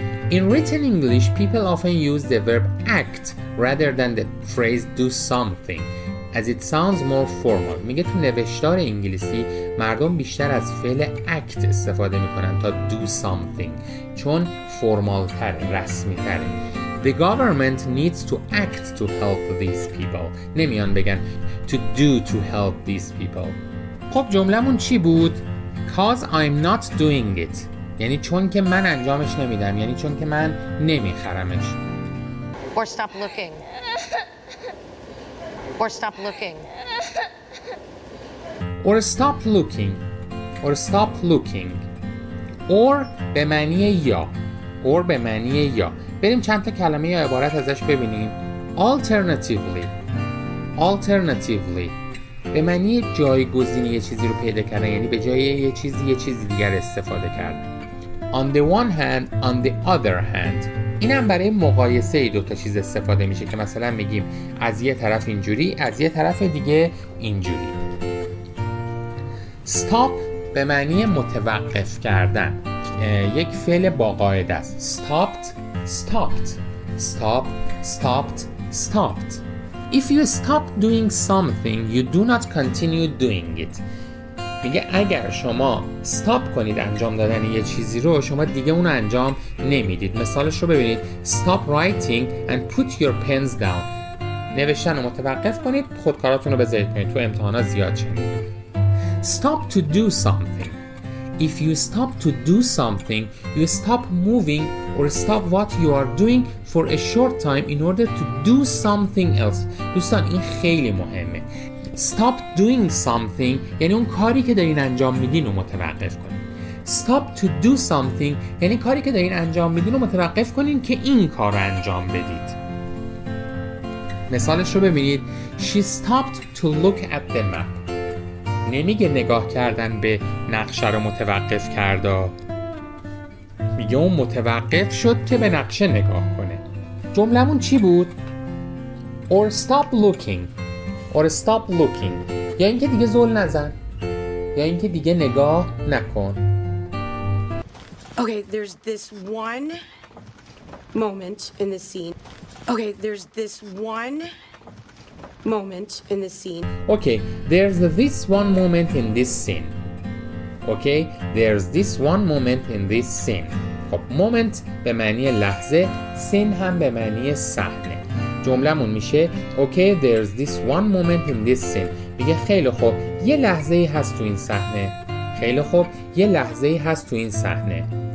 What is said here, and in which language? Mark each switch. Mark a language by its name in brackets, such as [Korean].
[English] In written English, people often use the verb act rather than the phrase do something. As it sounds more formal. [Persian] میگه تو نوشتار انگلیسی مردم بیشتر از فعل act استفاده میکنن تا do something. چون فرمال تر، رسمی تره. [English] The government needs to act to help these people. [Persian] نمیان بگن [English] to do to help these people. [Persian] خب جملمون چی بود؟ [English] Cause I'm not doing it. [Persian] یعنی چون که من انجامش نمیدم. یعنی چون که من نمیخرمش. [English] Or stop looking. Or stop looking. Or stop looking. Or stop looking. Or [Persian] به معنی یا. Or به معنی یا. بریم چند تا کلمه یا عبارت ازش ببینیم. [English] Alternatively. Alternatively. [Persian] به معنی جایگزینی یه چیزی رو پیدا کردن، یعنی به جای یه چیزی دیگر استفاده کردن. [English] On the one hand, on the other hand. [Persian] اینم برای مقایسه دو تا چیز استفاده میشه که مثلا میگیم از یه طرف اینجوری، از یه طرف دیگه اینجوری. Stop به معنی متوقف کردن، یک فعل با قاعده است. [English] Stopped, stopped. Stop, stopped, stopped. If you stop doing something, you do not continue doing it. [Persian] میگه اگر شما stop کنید انجام دادن یه چیزی رو، شما دیگه اونو انجام نمیدید. مثالش رو ببینید. [English] Stop writing and put your pens down. [Persian] نوشتن رو متوقف کنید، خودکاراتون رو بذارید کنید. تو امتحانا زیاد شدید. [English] Stop to do something. If you stop to do something, you stop moving or stop what you are doing for a short time in order to do something else. [Persian] دوستان این خیلی مهمه. [English] Stop doing something [Persian] یعنی اون کاری که دارین انجام میدین رو متوقف کنین. [English] Stop to do something [Persian] یعنی کاری که دارین انجام میدین رو متوقف کنین که این کار رو انجام بدید. مثالش رو ببینید. [English] She stopped to look at the map. [Persian] نمیگه نگاه کردن به نقشه رو متوقف کرد، میگه اون متوقف شد که به نقشه نگاه کنه. جملمون چی بود؟ [English] Or stop looking. Or stop looking. [Persian] یا اینکه دیگه زول نزن، یا اینکه دیگه نگاه نکن. [English] Okay, there's this one moment in the scene. Okay, there's this one moment in the scene. Okay, there's this one moment in this scene. Okay, there's this one moment in this scene. [Persian] خب moment به معنی لحظه، scene هم به معنی صحنه. جملمون میشه [English] Okay, there's this one moment in this scene. [Persian] میگه خیلی خوب، یه لحظه ای هست تو این صحنه. خیلی خوب، یه لحظه ای هست تو این صحنه.